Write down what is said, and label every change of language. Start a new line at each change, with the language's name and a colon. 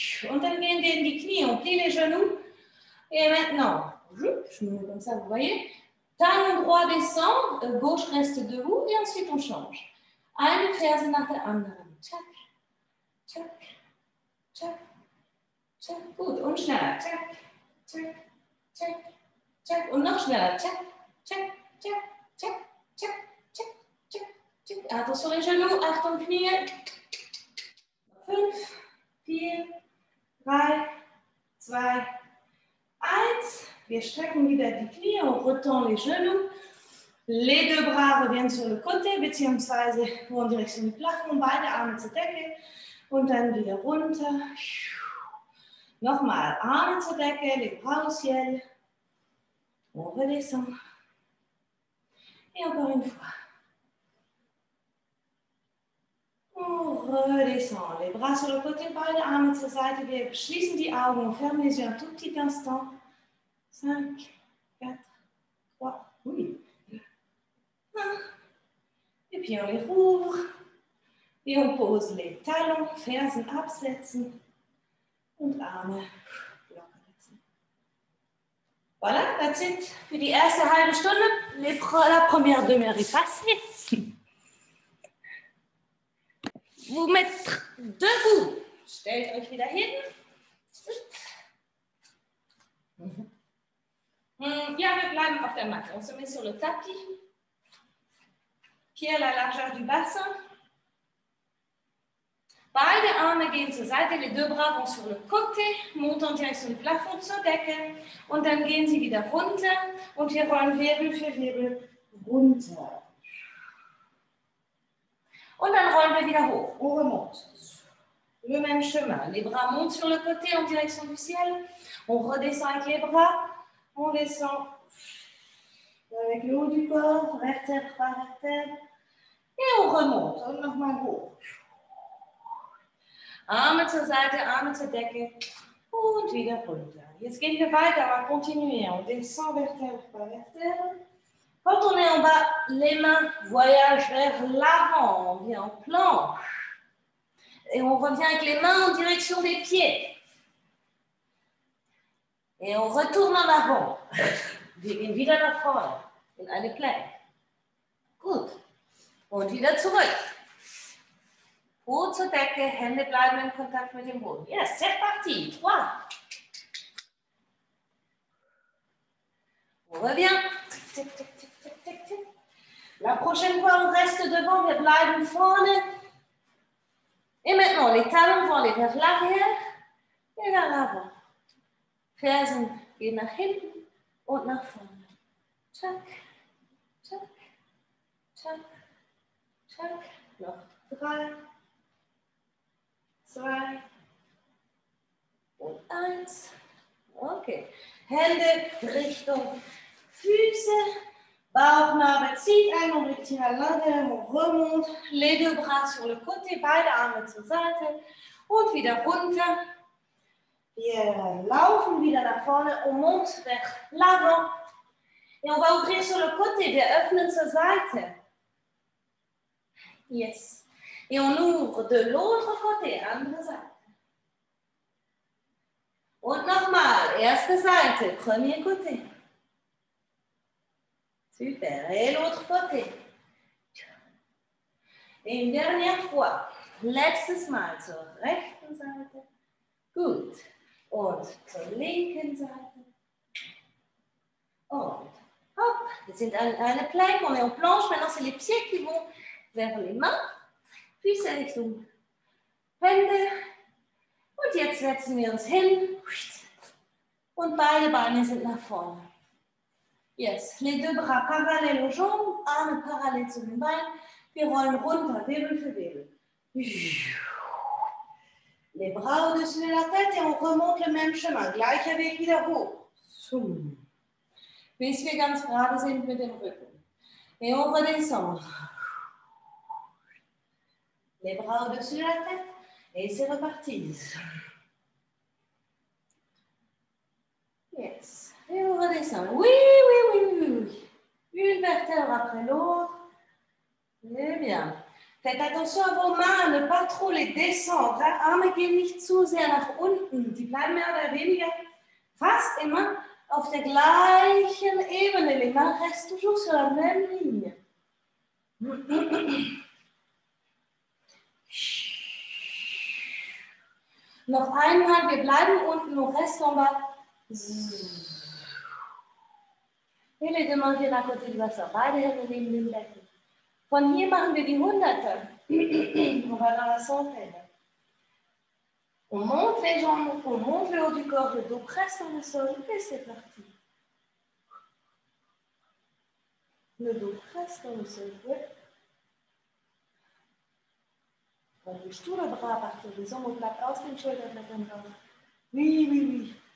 German: Und dann gehen wir in die Knie und
French: plie les genoux. Et maintenant, je me comme ça, vous voyez. Talon droit descend, gauche reste debout et ensuite on change.
German: Eine Ferse nach der anderen. Tchac, tchac, tchac, tchac. Gut, und schneller. Tchac, tchac, tchac, tchac. Und noch schneller. Tchac, tchac, tchac, tchac, tchac, tchac, tchac, tchac.
French: Attention les genoux,
German: Achtung Knie. Fünf, vier, drei, zwei, eins. Wir strecken wieder die Knie und retournen
French: les genoux. Les deux bras reviennent sur le côté,
German: beziehungsweise
French: en direction du plafond,
German: beide Arme zur Decke und dann wieder runter. Nochmal, Arme zur Decke,
French: les bras au ciel. On redescend. Et encore une fois. On redescend. Les bras sur le côté,
German: beide Arme zur Seite. Wir schließen die Augen und fermen
French: les yeux un tout petit instant. 5, 4, 3, oui. Et puis on les rouvre et on pose les talons,
German: Fersen absetzen und Arme locker lassen. Voilà,
English: that's it
German: für die erste halbe Stunde.
French: La première demi-heure est passée. Vous mettez debout.
German: Stellt euch wieder hin. Ja, wir bleiben auf der Matte.
French: On se met sur le tapis. Pieds à la largeur du bassin.
German: Beide Arme gehen zur Seite.
French: Les deux bras vont sur le côté. Montant direction du plafond
German: zur Decke. Und dann gehen sie wieder runter. Und wir rollen Wirbel für Wirbel runter. Und dann rollen wir wieder hoch.
French: On remonte. Le même chemin. Les bras montent sur le côté en direction du ciel. On redescend avec les bras. On descend avec le haut du corps, vertèbre par vertèbre. Et on remonte, on remonte en haut.
German: Arme zur Seite, Arme zur Decke. Und wieder runter. Jetzt gehen wir weiter,
French: on va continuer. On descend vertèbre par vertèbre. Quand on est en bas, les mains voyagent vers l'avant. On vient en planche. Et on revient avec les mains en direction des pieds. Et on retourne en avant.
German: Wir gehen wieder nach vorne. In eine Plank. Gut. Und wieder zurück. Po zur Decke. Hände bleiben in Kontakt mit dem Boden.
French: Yes, c'est parti. Trois. On revient. Tic, tic, tic, tic, tic, tic. La prochaine fois, on reste devant.
German: Wir bleiben vorne.
French: Et maintenant, les talons vont aller vers l'arrière et vers l'avant.
German: Fersen gehen nach hinten und nach vorne. Tschak, tschak, tschak, tschak. Noch drei, zwei und eins. Okay. Hände Richtung Füße. Bauchnabel zieht ein Moment hier an l'intérieur.
French: On remonte. Les deux bras sur le côté.
German: Beide Arme zur Seite. Und wieder runter. Wir laufen wieder nach vorne und
French: monte vers l'avant. Et on va ouvrir sur le côté.
German: Wir öffnen zur Seite.
French: Yes. Et on ouvre de l'autre côté.
German: Andere Seite. Und nochmal. Erste Seite.
French: Premier côté. Super. Et l'autre côté. Et une dernière fois.
German: Letztes Mal zur rechten Seite. Gut. Und zur linken Seite. Und
French: C'est un plank, on est en planche. Maintenant, c'est les pieds qui vont vers les mains. Puis, c'est les deux. Hände.
German: Und jetzt setzen wir uns hin. Und beide Beine sind nach vorne.
English: Yes.
French: Les deux bras parallèles aux jambes,
German: Arme parallèles zu den Beinen. Wir rollen runter, Wirbel für Wirbel.
French: Les bras au-dessus de la tête et on remonte le même chemin.
German: Gleicher Weg wieder hoch. Zoom. Bis wir ganz gerade sind mit dem Rücken.
French: Et on redescend. Les bras au-dessus de la tête. Et c'est reparti. Yes. Et on redescend. Oui, oui, oui, oui. Une vertèbre après l'autre. Très bien. Faites attention à vos mains, ne pas trop les descendre.
German: Les armes gehen nicht zu sehr nach unten. Die bleiben mehr oder weniger fast immer auf der gleichen Ebene.
French: Les mains restent toujours sur la même ligne.
German: Noch einmal, wir bleiben unten,
French: nous restons bas. Et les deux mains viennent à côté du bassin.
German: Beide Hände nehmen den Becken. Von hier machen wir die Hunderte.
French: On va dans la centaine. On monte les jambes, on monte le haut du corps, le dos presse dans le sol et c'est parti. Le dos presse dans le sol. On bouge tout le bras à partir des hommes au plat,
German: aus den Schultern mit dem Körper.
French: Oui, oui, oui.